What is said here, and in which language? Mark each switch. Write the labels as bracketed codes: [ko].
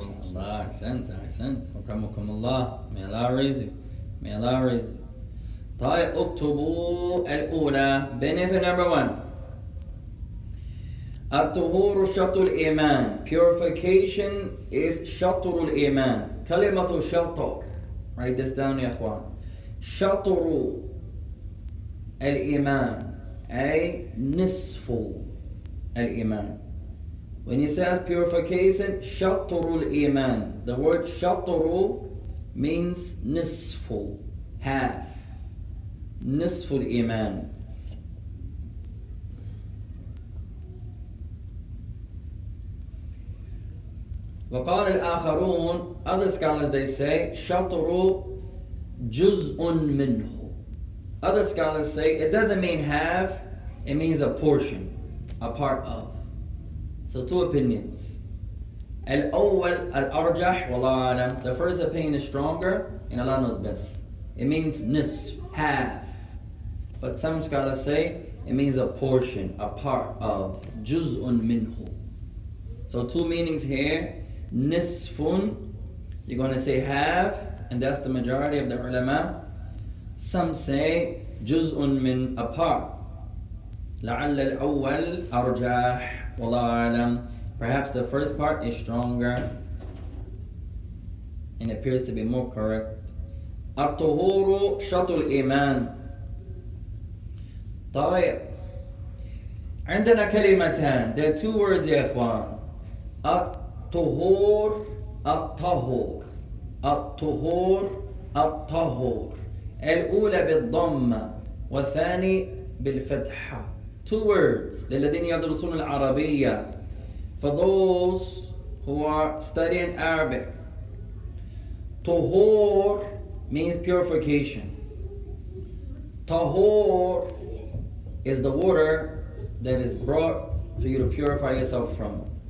[ar] ما شاء الله أحسنت أحسنت أكرمكم الله [en] May Allah raise you May Allah raise you [ar] طيب اكتبوا الأولى [en] benefit number one [ar] الطهور شطر الإيمان [en] purification is [ar] شطر الإيمان كلمة شطر [en] write this down [ar] يا أخوان شطر الإيمان أي نصف الإيمان. [en] When he says purification, [ar] شطر الإيمان. [en] The word شطر means نصف, half. [ar] نصف الإيمان. وقال الآخرون, [en] other scholars they say [ar] شطر جزء منه. [en] Other scholars say it doesn't mean half, it means a portion. A part of. So two opinions. [ar] الأول الأرجح والله أعلم. [en] The first opinion is stronger and Allah knows best. It means نصف, half. But some scholars say it means a portion, a part of. جزء منه. So two meanings here. نصف, you're going to say half, and that's the majority of the ulama. Some say جزء من a part. [ar] لعل الأول أرجح والله أعلم. [en] Perhaps the first part is stronger and appears to be more correct. [ar] الطهور شط الإيمان. طيب عندنا كلمتان. [en] There are two words يا إخوان. [ar] الطهور الطهور. الطهور الطهور. الأولى بالضم والثاني بالفتحة. [en] Two words, [ar] للذين يدرسون العربية. [en] For those who are studying Arabic, طهور means purification. طهور is the water that is brought for you to purify yourself from.